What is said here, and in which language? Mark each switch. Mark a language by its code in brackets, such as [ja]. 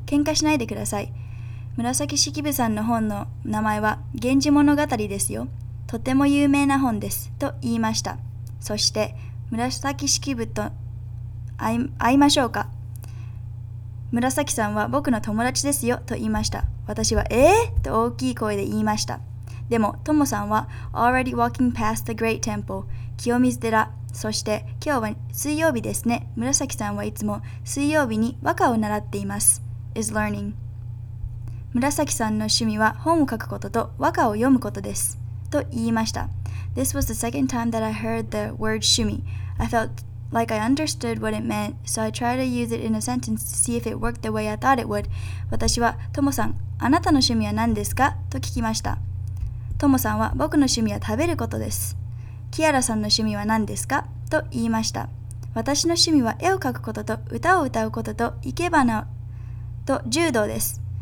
[ja] 喧嘩しないでください。紫式部さんの本の名前は源氏物語ですよ。とても有名な本です。と言いました。そして、紫式部と会いましょうか。紫さんは僕の友達ですよ。と言いました。私は、と大きい声で言いました。でも、トモさんは、 [en] already walking past the great temple、清水寺。 [ja] そして、今日は水曜日ですね。紫さんはいつも水曜日に和歌を習っています。 [en] is learning。 [ja] 紫さんの趣味は本を書くことと和歌を読むことです。と言いました。 [en] This was the second time that I heard the word 趣味. I felt like I understood what it meant, so I tried to use it in a sentence to see if it worked the way I thought it would. [ja] 私は、トモさん、あなたの趣味は何ですか?と聞きました。トモさんは、僕の趣味は食べることです。キアラさんの趣味は何ですか?と言いました。私の趣味は絵を描くことと歌を歌うことと生け花と柔道です。